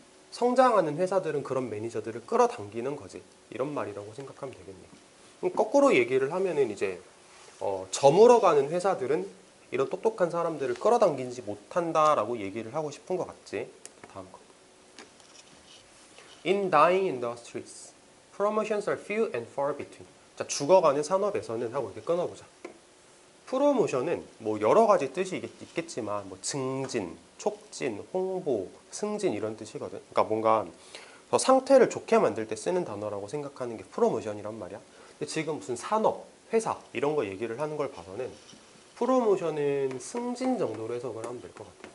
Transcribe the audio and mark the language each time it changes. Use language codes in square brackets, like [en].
[ko] 성장하는 회사들은 그런 매니저들을 끌어당기는 거지. 이런 말이라고 생각하면 되겠네. 그럼 거꾸로 얘기를 하면은 이제 저물어가는 회사들은 이런 똑똑한 사람들을 끌어당기지 못한다라고 얘기를 하고 싶은 것 같지. 다음 거. [en] In dying industries, promotions are few and far between. [ko] 자, 죽어가는 산업에서는 하고 이렇게 끊어보자. 프로모션은 뭐 여러 가지 뜻이 있겠지만 뭐 증진, 촉진, 홍보, 승진 이런 뜻이거든. 그러니까 뭔가 더 상태를 좋게 만들 때 쓰는 단어라고 생각하는 게 프로모션이란 말이야. 근데 지금 무슨 산업, 회사 이런 거 얘기를 하는 걸 봐서는 프로모션은 승진 정도로 해석을 하면 될 것 같아.